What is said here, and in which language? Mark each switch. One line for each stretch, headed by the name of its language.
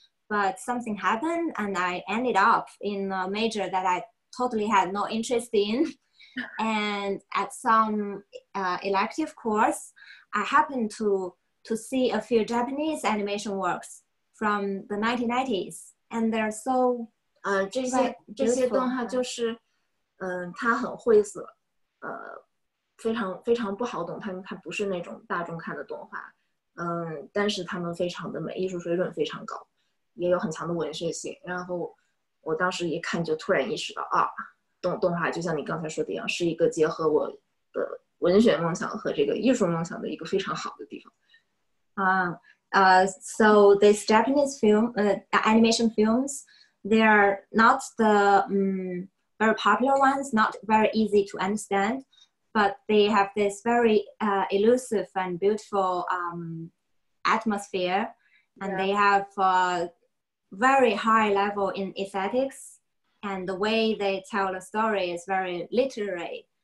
English: But something happened and I ended up in a major that I totally had no interest in. And at some elective course, I happened to see a few Japanese animation works from the 1990s. And they're so
Chinese: 这些动画就是它很晦涩，非常非常不好懂，它不是那种大众看的动画，但是它们非常的美，艺术水准非常高，也有很强的文学性。然后我当时一看就突然意识到啊，动画就像你刚才说的一样，是一个结合我的文学梦想和这个艺术梦想的一个非常好的地方。
English: So these Japanese film, animation films, they are not the very popular ones, not very easy to understand, but they have this very elusive and beautiful atmosphere, and they have very high level in aesthetics, and the way they tell the story is very literary.